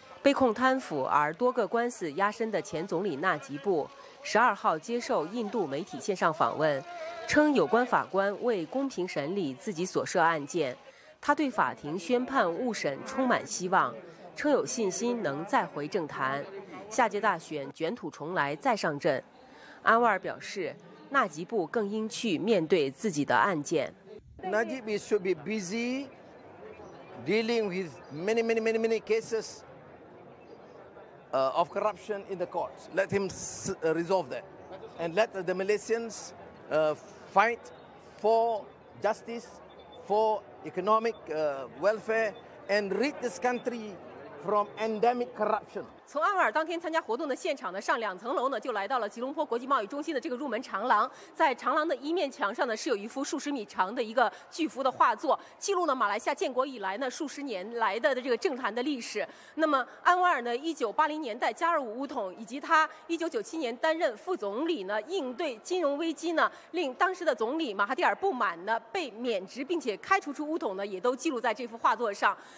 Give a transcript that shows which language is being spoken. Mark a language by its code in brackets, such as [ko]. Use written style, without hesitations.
[zh] 被控贪腐而多个官司压身的前总理纳吉布12号接受印度媒体线上访问，称有关法官为公平审理自己所涉案件，他对法庭宣判误审充满希望，称有信心能再回政坛，下届大选卷土重来再上阵。安瓦尔表示，纳吉布更应去面对自己的案件。 [en] Najib should be busy dealing with many, many, many, many cases of corruption in the courts. Let him resolve that, and let the Malaysians fight for justice, for economic welfare, and rid this country from endemic corruption. [zh] 从阿瓦尔当天参加活动的现场呢，上两层楼呢，就来到了吉隆坡国际贸易中心的这个入门长廊。在长廊的一面墙上呢，是有一幅数十米长的一个巨幅的画作，记录了马来西亚建国以来呢数十年来的这个政坛的历史。那么安瓦尔呢，1980年代加入巫统，以及他1997年担任副总理呢，应对金融危机呢，令当时的总理马哈蒂尔不满呢，被免职并且开除出巫统呢，也都记录在这幅画作上。